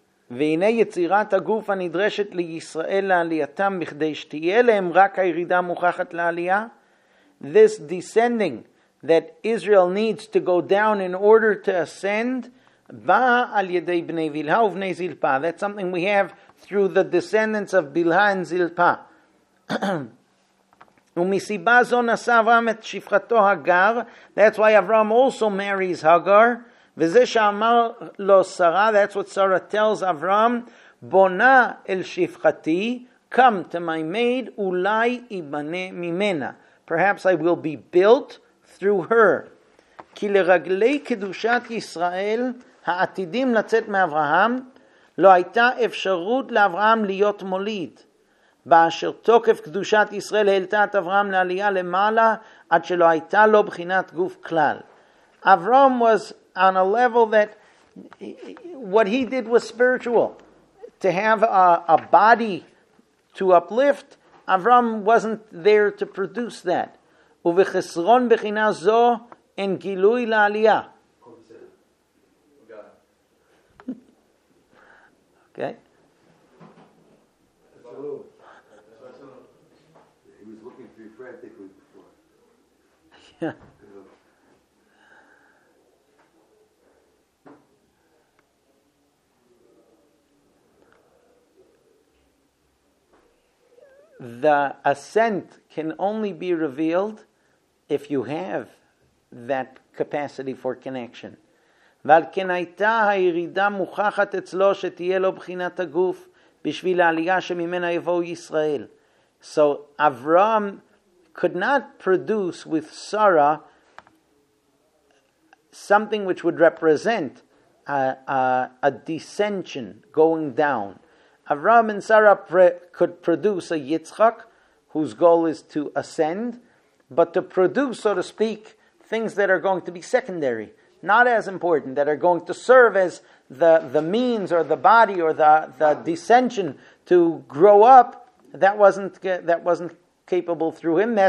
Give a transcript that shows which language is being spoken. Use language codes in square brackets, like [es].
[he] והנה יצירת הגוף הנדרשת לישראל לעלייתם בכדי שתהיה להם רק הירידה מוכחת לעלייה. [en] This descending that Israel needs to go down in order to ascend [he] באה על ידי בני בלהה ובני זלפה. [en] That's something we have through the descendants of בלהה and זלפה. [he] ומסיבה זו נשא אברהם את שפחתו הגר. [en] That's why Avram also marries Hagar. [he] וזה שאמר לו שרה, [en] that's what Sarah tells Avram, [he] בונה אל שפחתי, [en] come to my maid, [he] אולי יבנה ממנה. [en] Perhaps I will be built through her. [he] כי לרגלי קדושת ישראל, העתידים לצאת מאברהם, לא הייתה אפשרות לאברהם להיות מוליד. באשר תוקף קדושת ישראל העלתה את אברהם לעלייה למעלה, עד שלא הייתה לו בחינת גוף כלל. [en] Avram was on a level that what he did was spiritual. To have a body to uplift, Avram wasn't there to produce that. [he] Uvechisron bechina zo en gilui la'aliyah. [en] Okay. He was looking through frantically before. Yeah. the ascent can only be revealed if you have that capacity for connection. [he] ועל כן הייתה הירידה מוכחת אצלו שתהיה לו בחינת הגוף בשביל העלייה שממנה יבואו ישראל. [en] So Avram could not produce with Sarah something which would represent a descension, going down. Avram and Sarah could produce a Yitzchak, whose goal is to ascend, but to produce, so to speak, things that are going to be secondary, not as important, that are going to serve as the means or the body or the descension to grow up, that wasn't capable through him.